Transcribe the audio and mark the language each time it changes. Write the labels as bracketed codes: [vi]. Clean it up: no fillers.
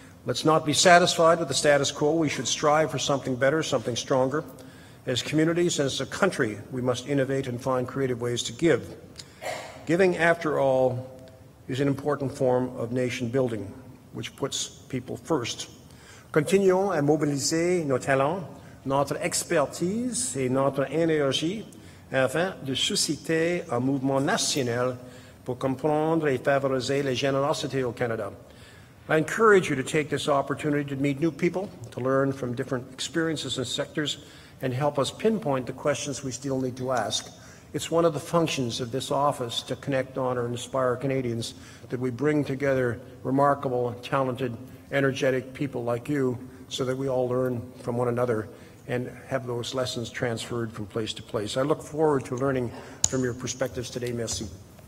[en] Let's not be satisfied with the status quo. We should strive for something better, something stronger. As communities, as a country, we must innovate and find creative ways to give. Giving, after all, is an important form of nation building, which puts people first. [fr] Continuons à mobiliser nos talents, notre expertise et notre énergie afin de susciter un mouvement national pour comprendre et favoriser la générosité au Canada. [en] I encourage you to take this opportunity to meet new people, to learn from different experiences and sectors, and help us pinpoint the questions we still need to ask. It's one of the functions of this office to connect, honor, and inspire Canadians, that we bring together remarkable, talented, energetic people like you so that we all learn from one another and have those lessons transferred from place to place. I look forward to learning from your perspectives today, Merci.